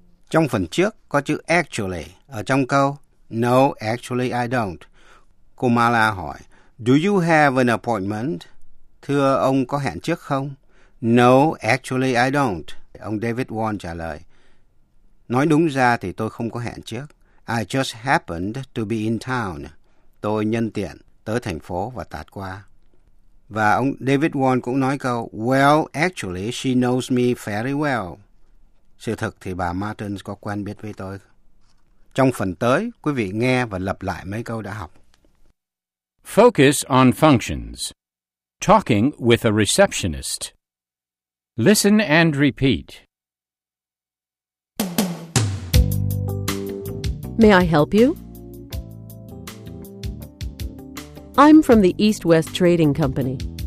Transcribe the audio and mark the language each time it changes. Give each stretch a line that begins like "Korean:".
Vietnamese: Trong phần trước có chữ actually ở trong câu
English: No, actually I don't.
Vietnamese: Cô Marla hỏi
English: Do you have an appointment?
Vietnamese: Thưa ông có hẹn trước không?
English: No, actually I don't.
Vietnamese: Ông David Wan trả lời Nói đúng ra thì tôi không có hẹn trước.
English: I just happened to be in town.
Vietnamese: Tôi nhân tiện tới thành phố và tạt qua. Và ông David Wan cũng nói câu
English: Well, actually she knows me very well.
Vietnamese: Sự thực thì bà Martins có quen biết với tôi. Trong phần tới, quý vị nghe và lặp lại mấy câu đã học.
English: Focus on functions. Talking with a receptionist. Listen and repeat. May I help you? I'm from the East West Trading Company.